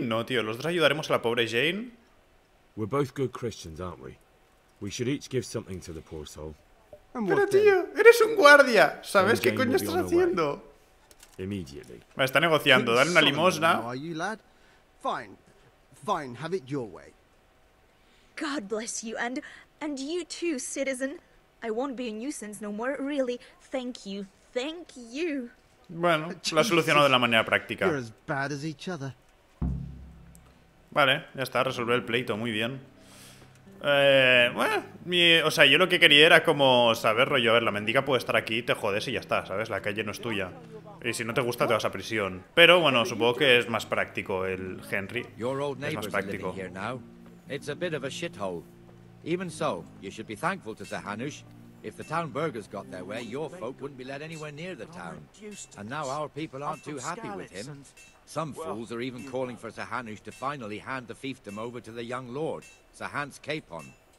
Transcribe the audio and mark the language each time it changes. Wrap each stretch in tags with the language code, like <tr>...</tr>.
<es>No, tío, los dos ayudaremos a la pobre Jane.</es> <en>We're both good Christians, aren't we? We should each give something to the poor soul.</en> <es>Pero tío, eres un guardia. ¿Sabes qué coño estás haciendo? Inmediatamente. Me está negociando, dale una limosna.</es> <en>Fine. Fine, have it your way. God bless you and you too, citizen. I won't be a nuisance no more, really. Thank you. Thank you.</en> <es>Bueno, lo ha solucionado de la manera práctica.</es> <en>You're as bad as each other.</en> <es>Vale, ya está, resolver el pleito, muy bien. O sea, yo lo que quería era como saber, rollo, a ver, la mendiga puede estar aquí, te jodes y ya está, ¿sabes? La calle no es tuya. Y si no te gusta, te vas a prisión. Pero bueno, supongo que es más práctico el Henry. Es más práctico.</es> <en>It's a bit of a shithole. Even so, you should be thankful to Sir Hanush. If the town burghers got their way, your folk wouldn't be let anywhere near the town. And now our people aren't too happy with him. Some fools are even calling for Sir Hanush to finally hand the fiefdom over to the young lord, Sir Hans Capon.</en>